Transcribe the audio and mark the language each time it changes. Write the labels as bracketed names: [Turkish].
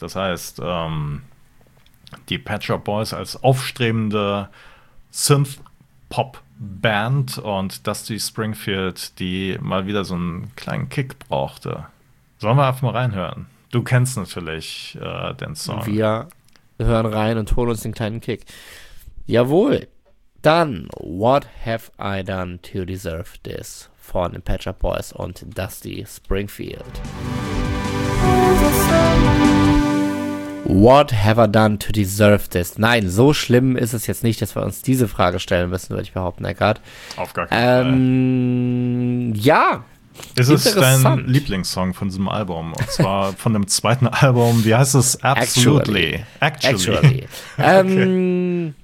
[German] Das heißt, die Pet Shop Boys als aufstrebende Synth-Pop Band und Dusty Springfield, die mal wieder so einen kleinen Kick brauchte. Sollen wir einfach mal reinhören? Du kennst natürlich den Song. Wir hören rein und holen uns den kleinen Kick. Jawohl. Dann, What Have I Done to Deserve This? Von den Pet Shop Boys und Dusty Springfield. [English] What have I done to deserve this? [German] Nein, so schlimm ist es jetzt nicht, dass wir uns diese Frage stellen müssen, würde ich behaupten, Eckart. Auf gar keinen Fall. Ja. Ist es dein Lieblingssong von diesem Album? Und zwar von dem zweiten Album, wie heißt es? Absolutely. Actually. Okay.